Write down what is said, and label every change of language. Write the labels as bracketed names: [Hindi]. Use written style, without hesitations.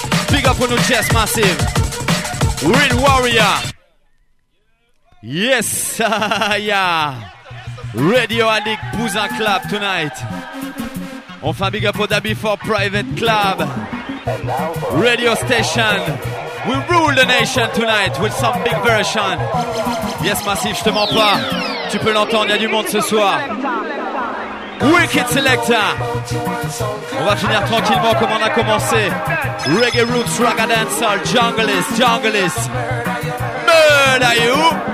[English] Big up on the chess massive. Real Warrior. Yes, yeah. Radio Addict Bouzin Club tonight. [French] On fait un big up au Dabi for Private Club. [English] Radio Station. We rule the nation tonight with some big version. [French] Yes, Massive, je te mens pas. Tu peux l'entendre, il y a du monde ce soir. [English] Wicked Selector. [French] On va finir tranquillement comme on a commencé. Reggae Roots, Ragga Dancehall, Junglist, Junglist. [English] Murder you.